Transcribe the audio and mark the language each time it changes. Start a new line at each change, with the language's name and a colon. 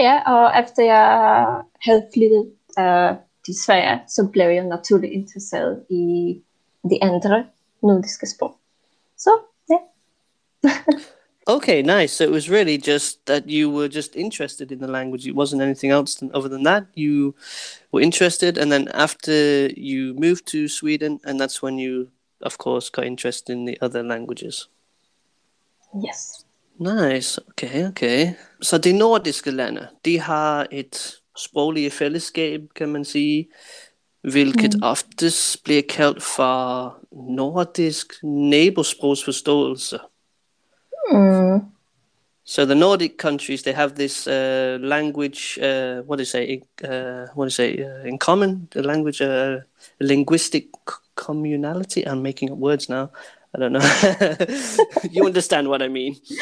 Danish: Og efter jeg havde flyttet til Sverige, så blev jeg naturlig interesseret i de andre nordiske sprog.
English: Okay, nice. So it was really just that you were just interested in the language. It wasn't anything else other than that. You were interested, and then after you moved to Sweden, and that's when you, of course, got interested in the other languages. Yes. Nice. Okay.
Danish: So de nordiske lande, de har et sproglige fællesskab, kan man sige, hvilket oftest bliver kaldt for nordisk nabosprogsforståelse.
English: So the Nordic countries, they have this language, in common, the language, linguistic communality. I'm making up words now, I don't know. You understand what I mean.